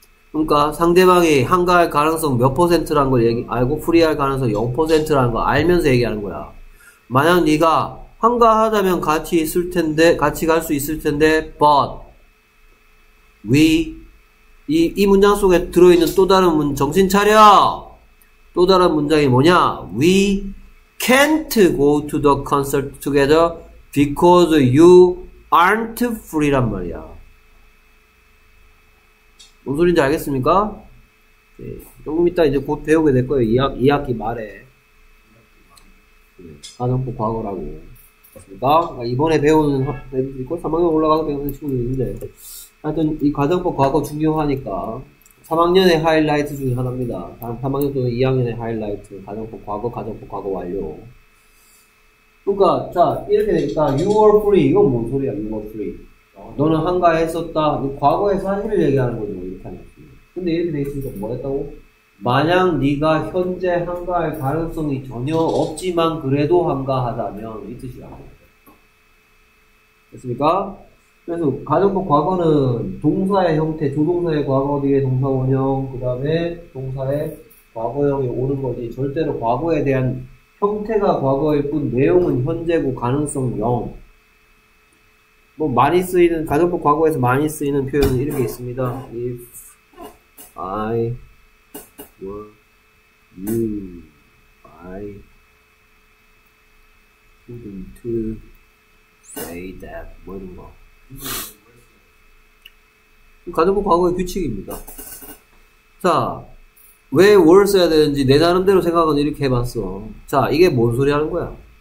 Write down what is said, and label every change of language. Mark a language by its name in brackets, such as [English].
[Korean] 그러니까 상대방이 한가할 가능성 몇 퍼센트라는 걸 얘기, 알고 프리할 가능성 0%라는 걸 알면서 얘기하는 거야. 만약 네가 한가하다면 같이 있을 텐데, 같이 갈수 있을 텐데, [English] but we [Korean] 이 문장 속에 들어있는 또 다른 문 정신 차려. 또 다른 문장이 뭐냐? [English] We can't go to the concert together because you aren't free란 말이야. [Korean] 뭔 소린지 알겠습니까? 네. 조금 이따 이제 곧 배우게 될 거예요. 이 학기 말에. 가정법 과거라고. 맞습니까? 이번에 배우는 애들이 있고, 3학년 올라가서 배우는 친구들이 있는데. 하여튼, 이 가정법 과거 중요하니까. 3학년의 하이라이트 중에 하나입니다. 3학년 또는 2학년의 하이라이트. 가정법 과거, 가정법 과거 완료. 그러니까, 자, 이렇게 되니까, [English] you are free. [Korean] 이건 뭔 소리야, you are free. 너는 한가했었다. 과거의 사실을 얘기하는 거죠, 이렇게 하면. 근데 이렇게 돼 있으니까 뭐 했다고? 만약 네가 현재 한가할 가능성이 전혀 없지만 그래도 한가하다면 이 뜻이야. 됐습니까? 그래서 가정법 과거는 동사의 형태, 조동사의 과거 뒤에 동사원형, 그 다음에 동사의 과거형이 오는 거지. 절대로 과거에 대한 형태가 과거일 뿐 내용은 현재고 가능성 0. 뭐 많이 쓰이는 가정법 과거에서 많이 쓰이는 표현은 이렇게 있습니다. [English] If I were you, I wouldn't to say that [Korean] 뭐 이런 거. 가정법 과거의 규칙입니다. 자, 왜 were 써야 되는지 내 나름대로 생각은 이렇게 해봤어. 자, 이게 뭔 소리 하는 거야?